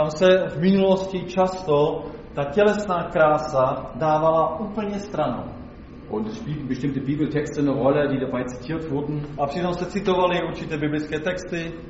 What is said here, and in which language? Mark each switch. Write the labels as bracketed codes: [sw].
[cs] Tam se v minulosti často ta tělesná krása dávala úplně stranou. [de] Und es spielten bestimmte Bibeltexte eine Rolle, die dabei zitiert wurden. [cs] A přitom se citovali určité biblické texty.